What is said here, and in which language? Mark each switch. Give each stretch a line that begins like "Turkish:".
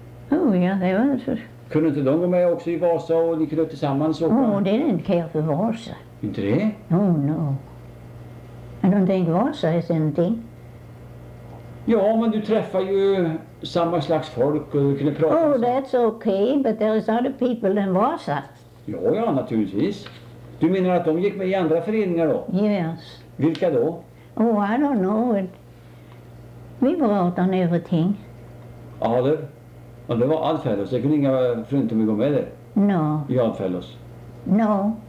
Swedish: Oh ja, det var så. Kunde inte de gå med också i Vasa och ni kunde tillsammans åka?
English: Oh, they didn't care for Vasa.
Swedish: Inte det?
English: Oh no. I don't think Vasa is anything.
Swedish: Ja, men du träffar ju samma slags folk och du kunde prata.
English: Oh, that's okay, but there is other people than Vasa.
Swedish: Ja, ja, naturligtvis. Du menar att de gick med i andra föreningar då?
English: Yes.
Swedish: Vilka då?
English: Oh, I don't know. We brought on everything.
Swedish: Adler? Och det var Adfellos. Det kunde inga frunter gå med det.
English: No.
Swedish: I Adfellos.
English: No.